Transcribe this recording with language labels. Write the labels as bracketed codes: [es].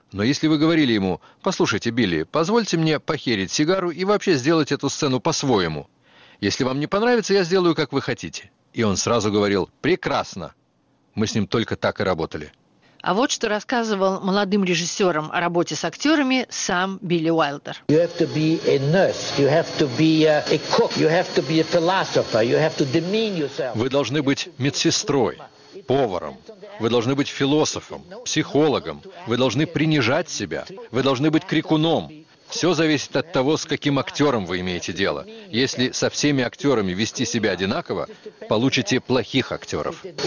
[ru] Но если вы говорили ему: «Послушайте, Билли, позвольте мне похерить сигару и вообще сделать эту сцену по-своему. Если вам не понравится, я сделаю, как вы хотите». И он сразу говорил: «Прекрасно». Мы с ним только так и работали. А вот что рассказывал молодым режиссерам о работе с актерами сам Билли Уайльдер. [en] You have to be a nurse, you have to be a cook, you have to be a philosopher, you have to demean yourself. [ru] Вы должны быть медсестрой, поваром, вы должны быть философом, психологом, вы должны принижать себя, вы должны быть крикуном. Все зависит от того, с каким актером вы имеете дело. Если со всеми актерами вести себя одинаково, получите плохих актеров.